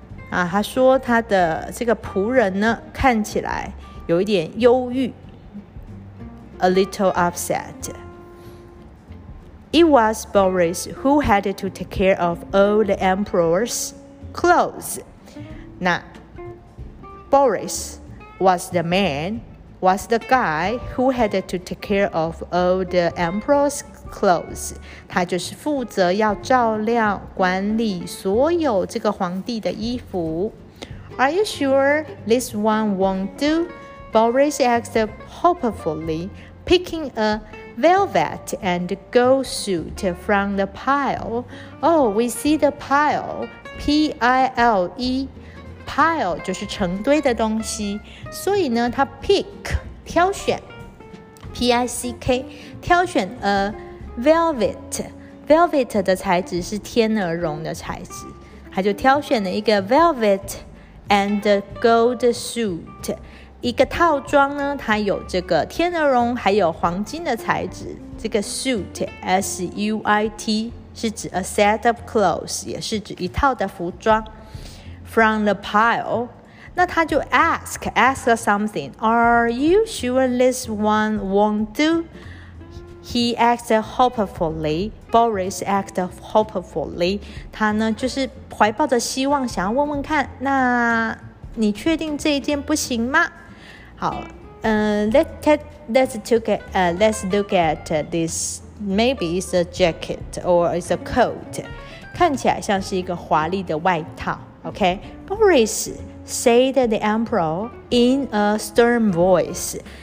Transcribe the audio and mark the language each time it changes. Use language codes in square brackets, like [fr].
[zh] 啊，他说他的这个仆人呢，看起来有一点忧郁。 [en] A little upset. It was Boris who had to take care of all the emperor's clothes. 那 Boris was the guy who had to take care of all the emperor's clothes. [zh] 他就是负责要照料管理所有这个皇帝的衣服。 [en] Are you sure this one won't do? Boris asked hopefully. Picking a velvet and gold suit from the pile. Oh, we see the pile. P-I-L-E. [zh] Pile 就是成堆的东西。所以呢，他 pick, 挑选。 [en] P-I-C-K, 挑选 a velvet. [zh] Velvet 的材质是天鹅绒的材质。他就挑选了一个 [en] velvet and gold suit. [zh] 一个套装呢，它有这个天鹅绒，还有黄金的材质。这个 suit, S-U-I-T, 是指 [en] a set of clothes, [zh] 也是指一套的服装。 [en] From the pile, [zh] 那他就 [en] ask something, Are you sure this one won't do? He acted hopefully, Boris acted hopefully. [zh] 他呢，就是怀抱着希望，想要问问看，那你确定这一件不行吗？ [en] 好，let's look at this. Maybe it's a jacket or it's a coat. [zh] 看起来像是一个华丽的外套。 [en] Okay, Boris said the emperor in a stern voice.